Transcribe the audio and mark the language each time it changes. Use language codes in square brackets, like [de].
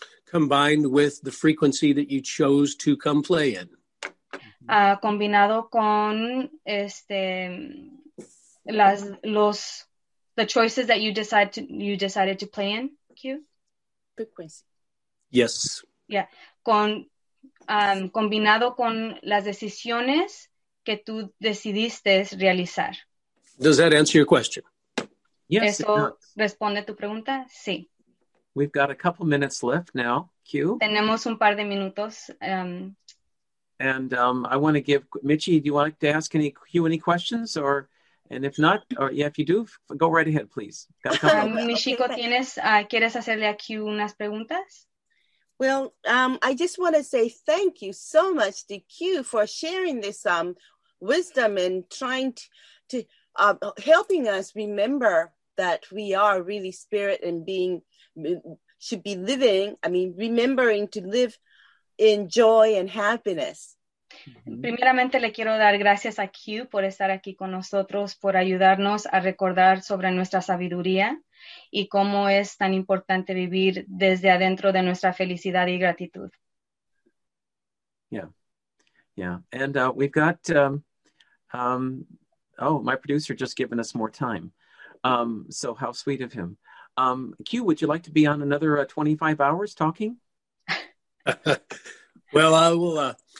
[en] Combined with the frequency that you chose to come play in. [es] Combinado con [en] the choices that you decided to play in. Q. Frequency. Yes. Yeah. [es] Con combinado con las decisiones que tú decidiste realizar. [en] Does that answer your question? Yes. [es] Eso responde tu pregunta. Sí. [en] We've got a couple minutes left now. Q. [es] Tenemos un par de minutos. [en] I want to give Michi. Do you want to ask any questions, or and if not, or yeah, if you do, go right ahead, please. [es] Michiko, tienes quieres hacerle a Q unas preguntas? [en] Well, I just want to say thank you so much to Q for sharing this wisdom and trying to helping us remember that we are really spirit and being should be living. I mean, remembering to live. In joy and happiness. [es] Primeramente le quiero dar gracias a Q por estar aquí con nosotros, por ayudarnos a recordar sobre nuestra sabiduría y cómo es tan importante vivir desde adentro de nuestra felicidad y gratitud. [en] Yeah. Yeah. And we've got my producer just given us more time. So how sweet of him. Q, would you like to be on another 25 hours talking? Well, I will.